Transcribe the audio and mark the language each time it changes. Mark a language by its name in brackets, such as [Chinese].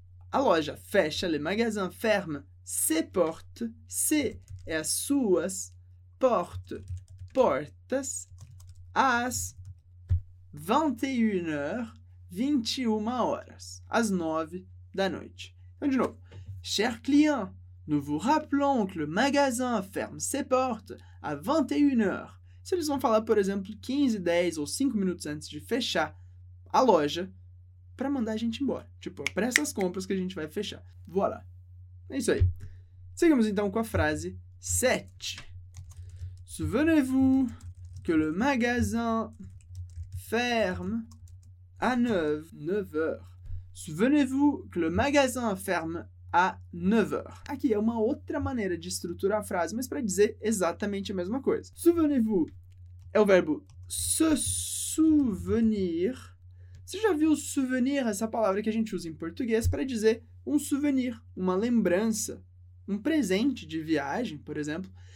[Portuguese] A loja fecha, [French] le magasin ferme ses portes. [Portuguese] Ses é as suas, portes, portas, às [French] 21 heures, [Portuguese] 21 horas, às 9 da noite. Então, de novo. [French] Cher client, nous vous rappelons que le magasin ferme ses portes à 21 heures. [Portuguese] Se eles vão falar, por exemplo, 15, 10 ou 5 minutos antes de fechar a loja para mandar a gente embora. Tipo, para essas compras que a gente vai fechar. Voilà. É isso aí. Seguimos, então, com a frase 7. [French] Souvenez-vous que le magasin ferme à 9 heures. Souvenez-vous que le magasin ferme à 9 heures. [Portuguese] Aqui é uma outra maneira de estruturar a frase, mas para dizer exatamente a mesma coisa. [French] Souvenez-vous [Portuguese] é o verbo [French] se souvenir. [Portuguese] Você já viu souvenir, essa palavra que a gente usa em português, para dizer um souvenir, uma lembrança, um presente de viagem, por exemplo.